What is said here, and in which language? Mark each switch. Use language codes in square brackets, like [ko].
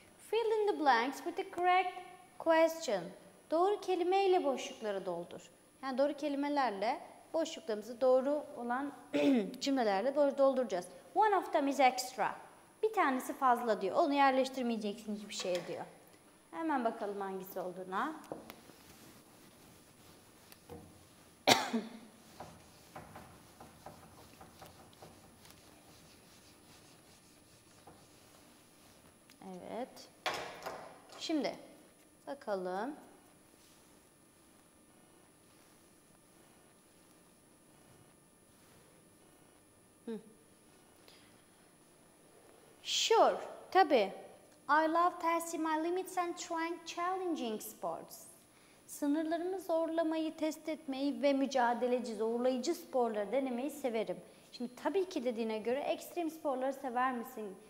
[en] Fill in the blanks with the correct question. [tr] Doğru kelimeyle boşlukları doldur. Yani doğru kelimelerle boşluklarımızı doğru olan cümlelerle dolduracağız. [en] One of them is extra. [tr] Bir tanesi fazla diyor. Onu yerleştirmeyeceksin hiçbir şeye diyor. Hemen bakalım hangisi olduğuna. (Gülüyor) Şimdi bakalım. Sure, tabii. [en] I love testing my limits and trying challenging sports. [tr] Sınırlarımı zorlamayı, test etmeyi ve mücadeleci, zorlayıcı sporları denemeyi severim. Şimdi tabii ki dediğine göre ekstrem sporları sever misin?